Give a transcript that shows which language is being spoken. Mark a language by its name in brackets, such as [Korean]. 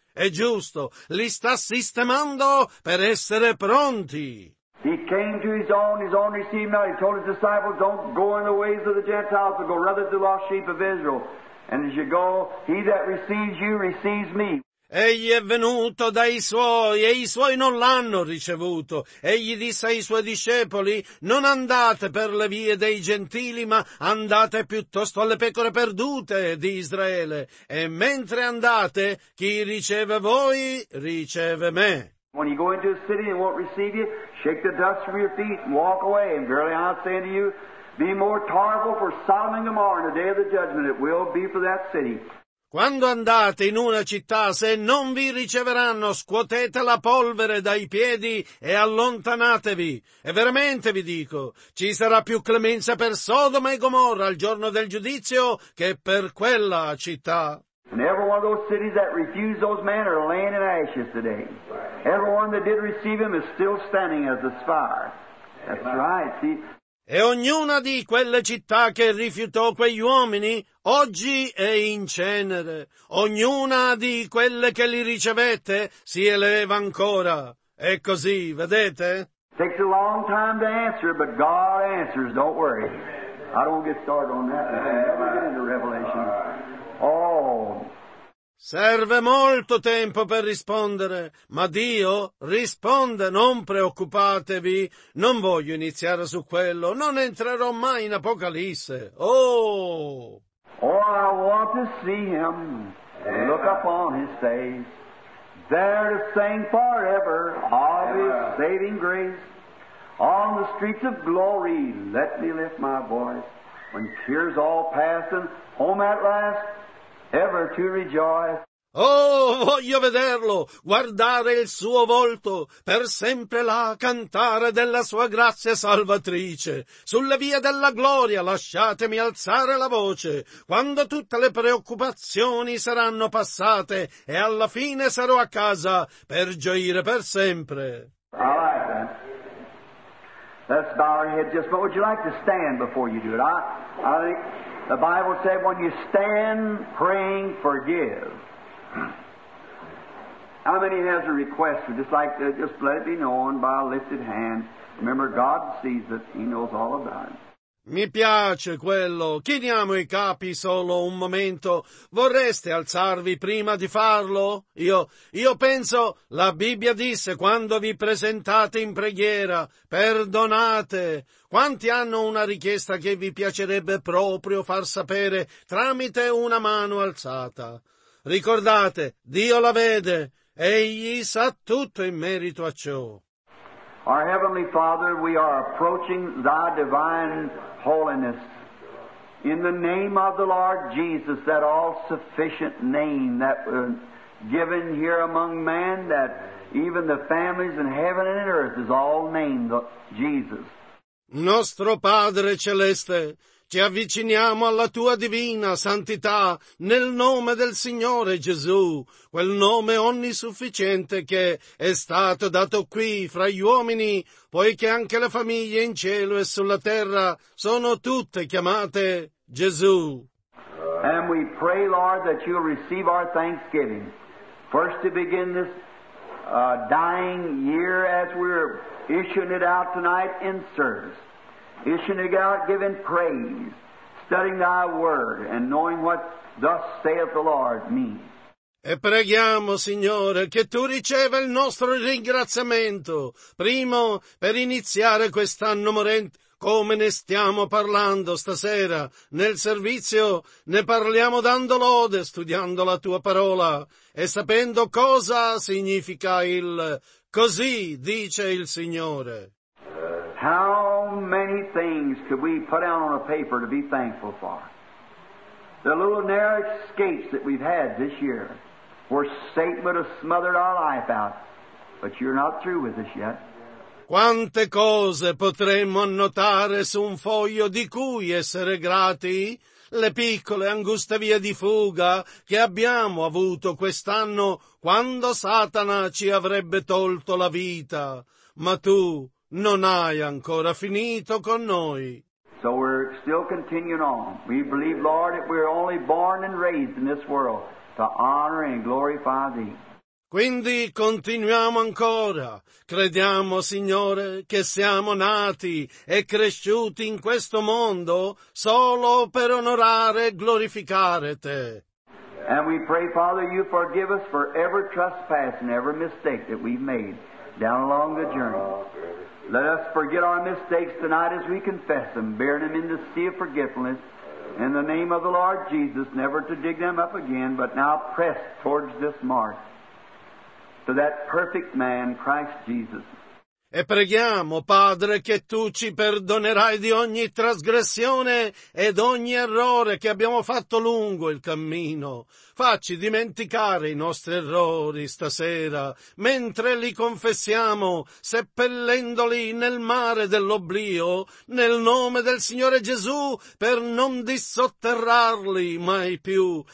[Italian] È giusto, li sta sistemando per essere pronti. [English] He came to his own received not. He told his disciples, don't go in the ways of the Gentiles, but go rather to the lost sheep of Israel. And as you go, he that receives you receives me. [Italian] Egli è venuto dai suoi e i suoi non l'hanno ricevuto. Egli disse ai suoi discepoli, non andate per le vie dei gentili, ma andate piuttosto alle pecore perdute di Israele. E mentre andate, chi riceve voi, riceve me. [English] When you go into a city and won't receive you, shake the dust from your feet and walk away. And verily I say to you, be more tolerable for Sodom and Gomorrah in the day of the judgment it will be for that city. [Italian] Quando andate in una città, se non vi riceveranno, scuotete la polvere dai piedi e allontanatevi. E veramente vi dico, ci sarà più clemenza per Sodoma e Gomorra al giorno del giudizio che per quella città. [English] And every one of those cities that refused those men are laying in ashes today. Every one that did receive him is still standing as a spire. That's right, see? [Italian] E ognuna di quelle città che rifiutò quegli uomini oggi è in cenere. Ognuna di quelle che li ricevette si eleva ancora. È così, vedete? [English] Takes a long time to answer, but God answers, don't worry. I don't get started on that. I've never been into Revelation. Oh. [Italian] Serve molto tempo per rispondere, ma Dio risponde, non preoccupatevi, non voglio iniziare su quello, non entrerò mai in Apocalisse. Oh! [English] I want to see him, look upon his face, there to sing forever of his saving grace. On the streets of glory, let me lift my voice, when tears all pass and home at last, ever to rejoice. [Italian] Oh, voglio vederlo, guardare il suo volto, per sempre là cantare della sua grazia salvatrice. Sulle vie della gloria lasciatemi alzare la voce, quando tutte le preoccupazioni saranno passate e alla fine sarò a casa per gioire per sempre. [English] All right, then. Let's bow our head just, but would you like to stand before you do it? I think the Bible said when you stand praying, forgive. How many has a request? Just let it be known by a lifted hand. Remember, God sees it. He knows all about it. [Italian] Mi piace quello. Chiniamo i capi solo un momento. Vorreste alzarvi prima di farlo? Io penso, la Bibbia disse, quando vi presentate in preghiera, perdonate. Quanti hanno una richiesta che vi piacerebbe proprio far sapere tramite una mano alzata? Ricordate, Dio la vede. Egli sa tutto in merito a ciò. [English] Our Heavenly Father, we are approaching Thy divine holiness. In the name of the Lord Jesus, that all-sufficient name that was given here among man, that even the families in heaven and in earth is all named Jesus. [Italian] Nostro Padre Celeste, ci avviciniamo alla Tua divina santità nel nome del Signore Gesù, quel nome onnisufficiente che è stato dato qui fra gli uomini, poiché anche le famiglie in cielo e sulla terra sono tutte chiamate Gesù. [English] And we pray, Lord, that You'll receive our thanksgiving. First to begin this dying year as we're issuing it out tonight in service. Issuing out, giving praise, studying Thy word, and knowing what thus saith the Lord means. [Italian] E preghiamo, Signore, che Tu riceva il nostro ringraziamento, primo per iniziare quest'anno morente, come ne stiamo parlando stasera, nel servizio, ne parliamo dando lode, studiando la Tua parola, e sapendo cosa significa il «così dice il Signore». [English] How many things could we put out on a paper to be thankful for? The little narrow escapes that we've had this year, where Satan would have smothered our life out, but You're not through with us yet. [Italian] Quante cose potremmo annotare su un foglio di cui essere grati? Le piccole anguste vie di fuga che abbiamo avuto quest'anno quando Satana ci avrebbe tolto la vita. Ma Tu non hai ancora finito con noi. [English] So we're still continuing on. We believe, Lord, that we're only born and raised in this world to honor and glorify Thee. [Italian] Quindi continuiamo ancora. Crediamo, Signore, che siamo nati e cresciuti in questo mondo solo per onorare e glorificare Te. [English] And we pray, Father, You forgive us for every trespass and every mistake that we've made down along the journey. Let us forget our mistakes tonight as we confess them, bearing them in the sea of forgetfulness, in the name of the Lord Jesus, never to dig them up again, but now press towards this mark. To that perfect man, Christ Jesus. [Italian] E preghiamo, Padre, che Tu ci perdonerai di ogni trasgressione ed ogni errore che abbiamo fatto lungo il cammino. Facci dimenticare i nostri errori stasera, mentre li confessiamo, seppellendoli nel mare dell'oblio, nel nome del Signore Gesù, per non dissotterrarli mai più.